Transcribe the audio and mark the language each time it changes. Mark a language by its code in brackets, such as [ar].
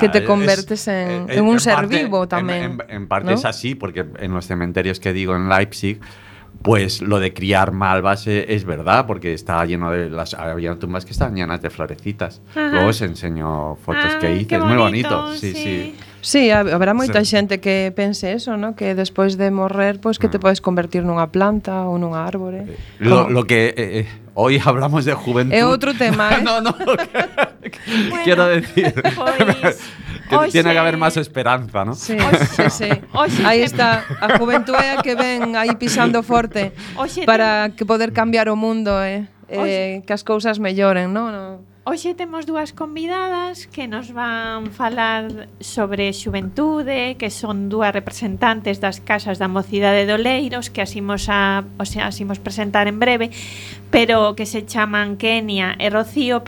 [es] Que te convertes en un ser vivo también. En parte, ¿no?, es así, porque en los cementerios que digo en Leipzig, pues lo de criar malvas es verdad, porque estaba lleno de. Había tumbas que estaban llenas de florecitas. Ajá. Luego os enseño fotos que hice. Es muy bonito. Sí. [gl] Sí, habrá moita xente que pense eso, ¿no? Que despois de morrer, pues que te podes convertir nunha planta ou nunha árbore. [es] Lo que hoy hablamos de juventud. [gl] É outro tema, ¿eh? [es] No, bueno, quiero decir. Pues, que tiene que haber máis esperanza, ¿no? [gl] Sí. Aí está a juventude que ven aí pisando forte para que poder cambiar o mundo, ¿eh? Que as cousas melloren, ¿no? Hoxe temos dúas convidadas que nos van falar sobre xuventude, que son dúas representantes das casas da mocidade de Oleiros, que as imos presentar en breve, pero que se chaman Kenia e Rocío.